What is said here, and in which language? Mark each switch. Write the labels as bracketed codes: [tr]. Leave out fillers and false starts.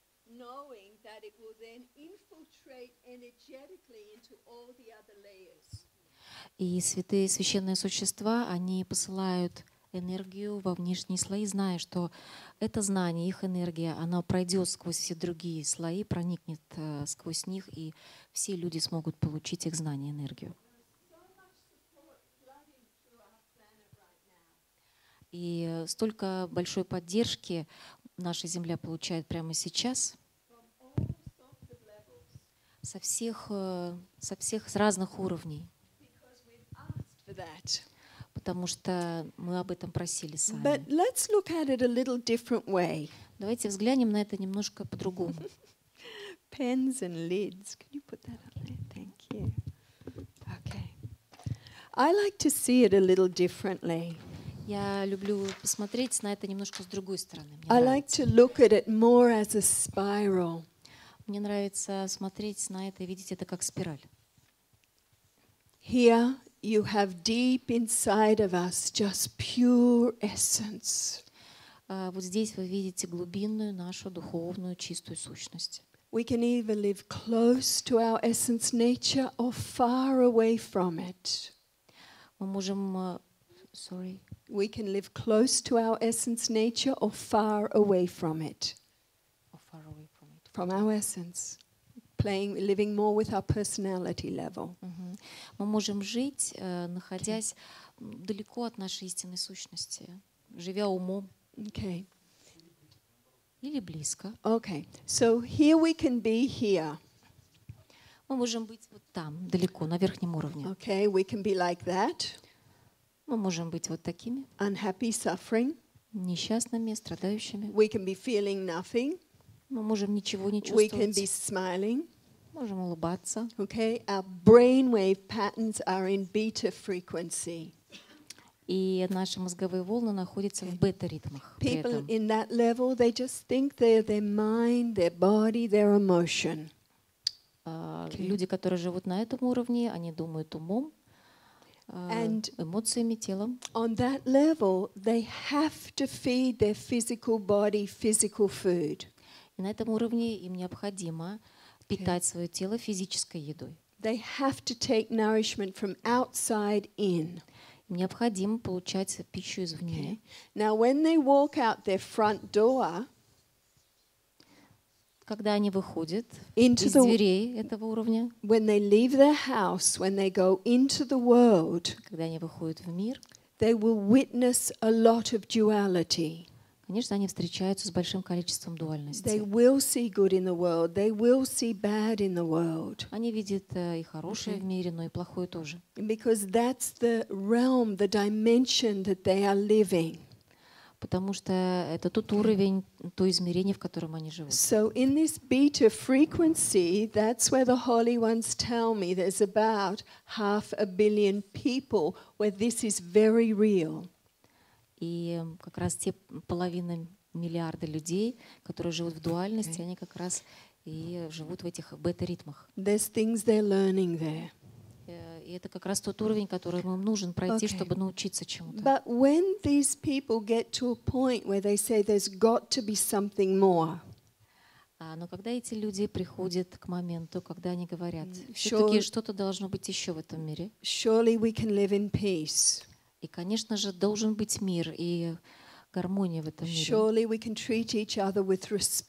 [en] Knowing that it will then infiltrate energetically into all the other layers. [ru] И святые священные существа, они посылают энергию во внешние слои, зная, что это знание, их энергия, она пройдет сквозь все другие слои, проникнет сквозь них, и все люди смогут получить их знание, энергию. И столько большой поддержки наша Земля получает прямо сейчас. Со всех с разных уровней. Потому что мы об этом просили сами. [en] But let's look at it a little different way. [ru] Давайте взглянем на это немножко по-другому. [en] Pens and lids. Can you put that up there? Thank you. Okay. I like to see it a little differently. [ru] Я люблю посмотреть на это немножко с другой стороны. [en] I like to look at it more as a spiral. [ru] Мне нравится смотреть на это и видеть это как спираль. [en] Here you have deep inside of us just pure essence. [ru] Вот здесь вы видите глубинную нашу духовную чистую сущность. [en] We can either live close to our essence nature or far away from it. [ru] Мы можем [en] We can live close to our essence nature or far away from it. From our essence, living more with our personality level. [ru] Мы можем жить, находясь далеко от нашей истинной сущности, живя умом. [en] Okay. [ru] Или близко. [en] Okay. So here we can be here. [ru] Мы можем быть вот там, далеко, на верхнем уровне. [en] Okay. We can be like that. [ru] Мы можем быть вот такими. [en] Unhappy, suffering. [ru] Несчастными, страдающими. [en] We can be feeling nothing. [ru] Мы можем ничего не чувствовать. [en] We can be smiling. [ru] Можем улыбаться. [en] Okay. Our brainwave patterns are in beta frequency. [ru] И наши мозговые волны находятся в бета-ритмах. [en] People in that level, they just think they're their mind, their body, their emotion. [ru] Люди, которые живут на этом уровне, они думают умом, эмоциями, телом. [en] On that level, they have to feed their physical body physical food. [ru] На этом уровне им необходимо питать свое тело физической едой. [en] They have to take nourishment from outside in. [ru] Им необходимо получать пищу извне. [en] Okay. Now, when they walk out their front door, [ru] когда они выходят [en] into [ru] из дверей этого уровня, [en] when they leave their house, when they go into the world, [ru] когда они выходят в мир, [en] they will witness a lot of duality. [ru] Конечно, они встречаются с большим количеством дуальности. [en] They will see good in the world. They will see bad in the world. [ru] Они видят и хорошее в мире, но и плохое тоже. [en] Because that's the realm, the dimension that they are living. [ru] Потому что это тот уровень, то измерение, в котором они живут. [en] So in this beta frequency, that's where the holy ones tell me there's about 500 million people where this is very real. [ru] И как раз те половина миллиарда людей, которые живут в дуальности, okay. они как раз и живут в этих бета-ритмах. [en] There's things they're learning there. [ru] И это как раз тот уровень, который им нужен пройти, okay. чтобы научиться чему-то. [en] But when these people get to a point where they say there's got to be something more. [ru] Но когда эти люди приходят к моменту, когда они говорят, все-таки что-то должно быть еще в этом мире. [en] Surely we can live in peace. [ru] И, конечно же, должен быть мир и гармония в этом мире.